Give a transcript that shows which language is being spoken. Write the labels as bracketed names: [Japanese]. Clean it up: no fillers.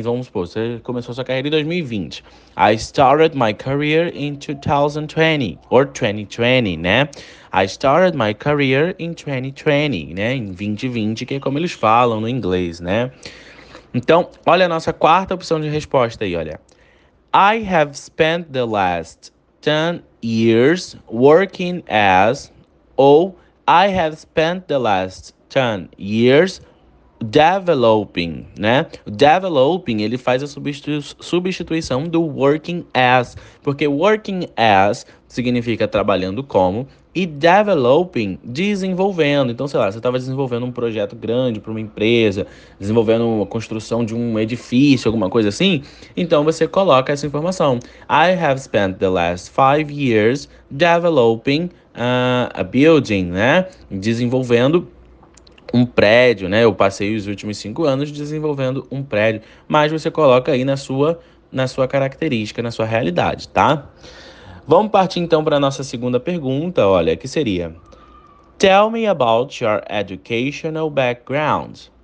[Portuguese] Vamos supor, você começou a sua carreira em 2020. [English] I started my career in 2020, or 2020, [Portuguese] né? [English] I started my career in 2020, [Portuguese] né? Em 2020, que é como eles falam no inglês, né? Então, olha a nossa quarta opção de resposta aí, olha. [English] I have spent the last 10 years working as. Ou, I have spent the last 10 years developing, né? [Portuguese] Developing, ele faz a substituição do working as, porque working as significa trabalhando como, e developing, desenvolvendo. Então, sei lá, você estava desenvolvendo um projeto grande para uma empresa, desenvolvendo a construção de um edifício, alguma coisa assim. Então, você coloca essa informação. [English] I have spent the last 5 years developing a building, né? [Portuguese] Desenvolvendo um prédio, né? Eu passei os últimos 5 anos desenvolvendo um prédio, mas você coloca aí na sua característica, na sua realidade, tá? Vamos partir então para a nossa segunda pergunta, olha, que seria: [English] Tell me about your educational background.